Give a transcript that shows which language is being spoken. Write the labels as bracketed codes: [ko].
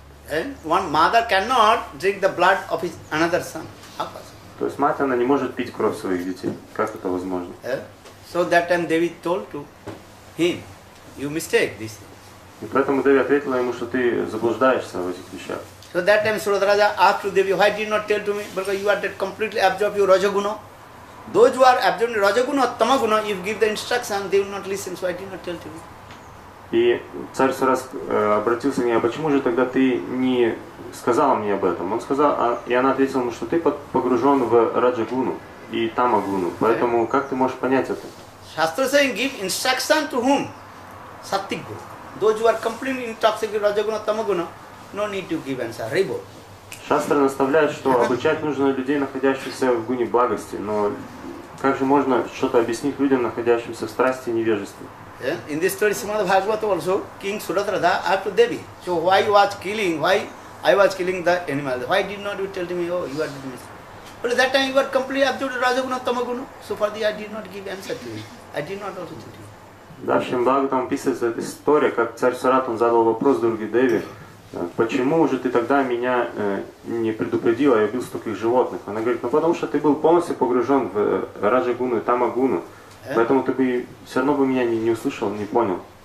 [en] And one mother cannot drink the blood of his another son. How possible? [ru] То есть мать, она не может пить кровь своих детей. Как это возможно? [en] So that time Devi told to him, you mistake this. [ru] И поэтому Деви ответила ему, что ты заблуждаешься в этих вещах. [en] So that time Surodharaja asked to Devi, why did you not tell to me? Because you are that completely absorbed your Rajaguna. Those who are absorbed in Rajaguna or Tamaguna, if give the instruction, they will not listen. So I did not tell to you. [ru] И царь Сурас обратился к ней, а почему же тогда ты не сказала мне об этом? Он сказал, и она ответила ему, что ты погружен в Раджагуну и Тамагуну. Поэтому как ты можешь понять это? [en] Shastra saying, give instruction to whom? Sattik Guru. Those who are completely intoxicated with Rajaguna or Tamaguna. No need to give answer. Rebo. [ru] Шастра наставляет, что обучать нужно людей, находящихся в гуне благости. Но как же можно что-то объяснить людям, находящимся в страсти и невежестве? [en] Yeah. In this story, Srimad Bhagavata also, King Suratradha after Devi. So why you was killing? Why I was killing the animal? Why did not you tell me? Oh, you are doing this. But at that time you were completely absorbed in Rajaguna, Tamaguna. So for that, I did not give answer to you. I did not also tell you. [ru] Да, Шримад Бхагаватам описывается эта история, как царь Сурат, он задал вопрос Дурге Деви. Почему же ты тогда меня не предупредила, я убил столько животных? Она говорит, ну потому что ты был полностью погружен в Раджагуну и Тамагуну. Поэтому ты бы все равно бы меня не услышал, не понял.